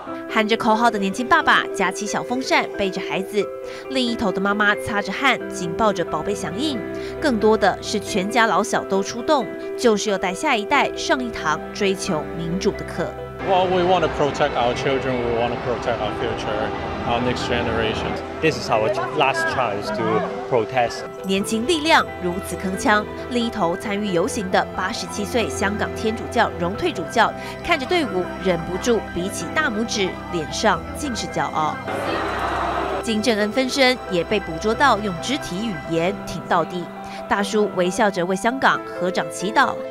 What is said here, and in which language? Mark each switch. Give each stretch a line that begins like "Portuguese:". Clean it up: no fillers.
Chinese: 喊着口号的年轻爸爸夹起小风扇背着孩子，另一头的妈妈擦着汗紧抱着宝贝响应，更多的是全家老小都出动，就是要带下一代上一堂追求民主的课。
English: Well, we want to protect our children, we want to protect our future, our next generation. This is our last chance to protest.
Chinese: 年轻力量如此铿锵，另一头参与游行的87岁香港天主教荣退主教看着队伍，忍不住比起大拇指，脸上尽是骄傲。金正恩分身也被捕捉到用肢体语言挺到底，大叔微笑着为香港合掌祈祷。